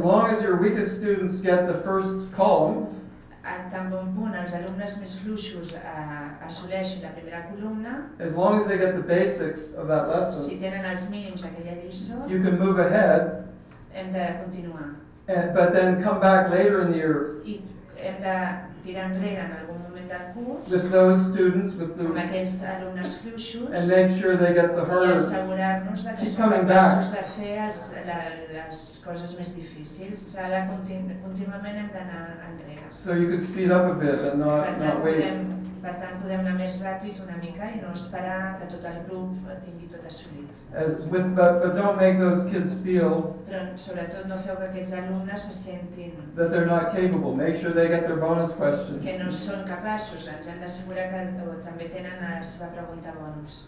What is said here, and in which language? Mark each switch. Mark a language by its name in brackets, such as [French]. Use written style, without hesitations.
[English] as long as your weakest students get the first column, [Catalan] en tan bon punt els alumnes més fluixos assoleixin la primera columna, [English] as long as they get the basics of that lesson, [Catalan] si tenen els mínims d'aquella lliçó, [English] you can move ahead, [Catalan] hem de continuar. [English] But then come back later in the year, [Catalan] i hem de tirar enrere en algun moment del curs, [English] with those students, with the, [Catalan] amb aquells alumnes fluixos, [English] and make sure they get the harder, [Catalan] i assegurar-nos que són capaços de fer les coses més difícils. Ara contínuament hem d'anar enrere. [English] So you could speed up a bit and not wait. [Catalan] Per tant, podem anar més ràpid una mica i no esperar que tot el grup tingui tot assolit. [English] But don't make those kids feel, [Catalan] però sobretot no feu que aquests alumnes se sentin, [English] that they're not capable. Make sure they get their bonus questions. [Catalan] Que no són capaços. Ens hem d'assegurar que també tenen la seva pregunta bonus.